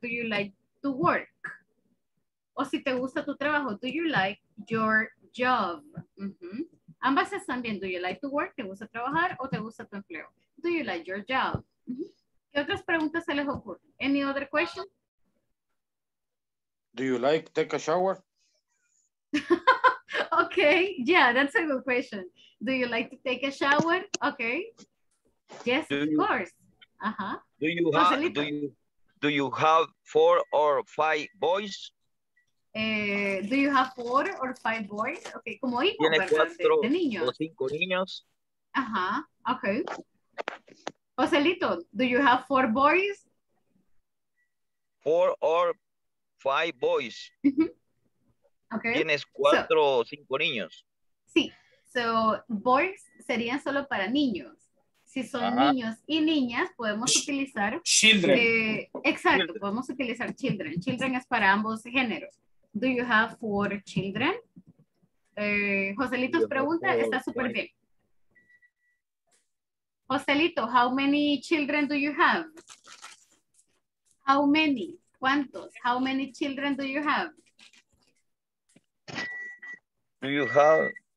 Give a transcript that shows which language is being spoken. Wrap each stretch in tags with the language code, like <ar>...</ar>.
<en>Do you like to work?</en> <es>O si te gusta tu trabajo,</es> <en>do you like your job? Uh-huh.</en> <es>Ambas están bien.</es> <en>Do you like to work?</en> <es>¿Te gusta trabajar o te gusta tu empleo?</es> <en>Do you like your job?</en> <es>Uh-huh. ¿Qué otras preguntas se les ocurren?</es> <en>Any other question? Do you like take a shower? Okay, yeah, that's a good question. Do you like to take a shower? Okay. Yes, do of you, course. Uh-huh. Do you have four or five boys? Do you have four or five boys?</en> <es>Okay, como hijo, ¿tiene cuatro de niños? O cinco niños. Uh-huh. Okay.</es> <en>Joselito, do you have four boys? Four or five boys. Okay.</en> <es>¿Tienes cuatro o cinco niños? Sí. So, boys serían solo para niños. Si son niños y niñas, podemos utilizar...</es> <en>Children.</en> <es>Exacto, children. Podemos utilizar children. Children es para ambos géneros.</es> <en>Do you have four children?</en> <es>Joselito's pregunta está súper bien.</es> <en>Joselito, how many children do you have? How many? ¿Cuántos? How many children do you have? Do you have?</en>